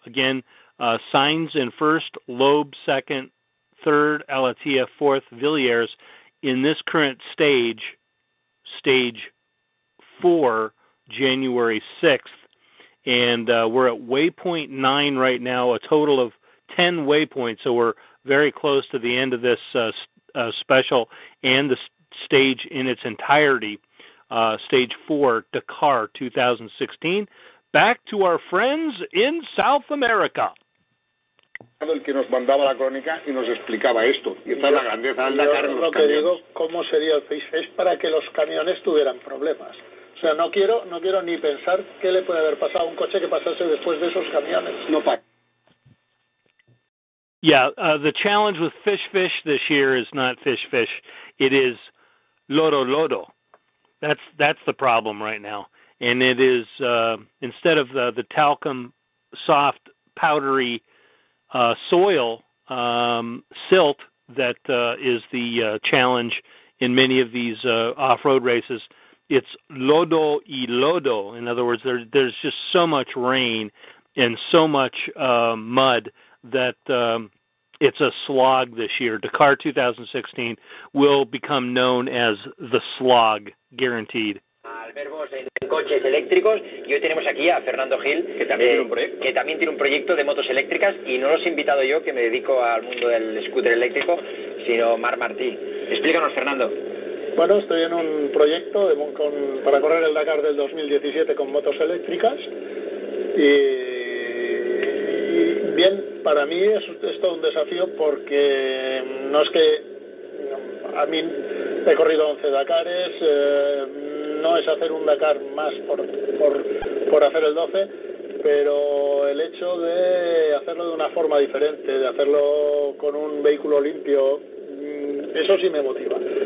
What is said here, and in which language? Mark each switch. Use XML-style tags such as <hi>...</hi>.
<en>Again, Sainz in first, Loeb second, third, Al-Attiyah fourth, Villiers in this current stage 4, January 6th, and we're at waypoint 9 right now, a total of 10 waypoints, so we're very close to the end of this special and the stage in its entirety, stage 4, Dakar 2016. Back to our friends in South America.</en> <es>El que nos mandaba la crónica y nos explicaba esto. Y esta es la grandeza del Dakar. Yo lo que digo, ¿cómo sería el face face para que los camiones tuvieran problemas? O sea, no quiero ni pensar qué le puede haber pasado a un coche que pasase después de esos camiones. No pa.</es> <en>Yeah, the challenge with fish this year is not fish. It is lodo. That's the problem right now. And it is, instead of the talcum, soft, powdery soil, silt that is the challenge in many of these off-road races, it's</en> <es>lodo y lodo.</es> <en>In other words, there's just so much rain and so much mud that... it's a slog this year. Dakar 2016 will become known as the slog, guaranteed.</en> <es>Al vernos en coches eléctricos, y hoy tenemos aquí a Fernando Gil, que también, tiene un proyecto. Que también tiene un proyecto de motos eléctricas, y no los he invitado yo, que me dedico al mundo del scooter eléctrico, sino Marc Martí. Explícanos, Fernando. Bueno, estoy en un proyecto de, con, para correr el Dakar del 2017 con motos eléctricas, y bien, para mí es todo un desafío, porque no es que a mí he corrido 11 Dakares, no es hacer un Dakar más por hacer el 12, pero el hecho de hacerlo de una forma diferente, de hacerlo con un vehículo limpio, eso sí me motiva.</es>